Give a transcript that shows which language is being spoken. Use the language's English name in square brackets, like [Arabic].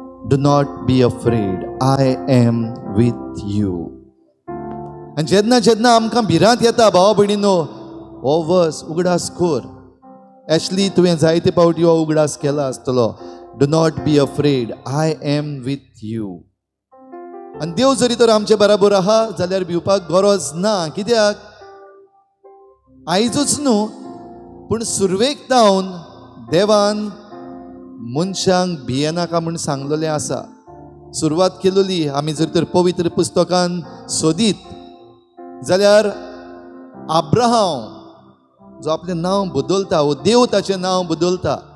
[English] Do not be afraid, I am with you. [Konkani] आनी जेदना जेदना आमकां भिरांत येता भाव भयणीनो, हो वर्स उगडास कोर. एशली तुवें जायते पावटी हो उगडास केला आसतलो. [English] Do not be afraid, I am with you. [Konkani] आनी देव जरी तर आमचे बराबर आहा जाल्यार भिवपाक गरज ना. कित्याक आयजूच न्हू पूण सुरवेक धावन देवान मनशांक भियेनाका म्हूण सांगलेलें आसा. सुरवात केलोली आमी जर तर पवित्र पुस्तकान सोदीत जाल्यार आब्रहाम जो आपलें नांव बदलता, वो देव ताचें नांव बदलता.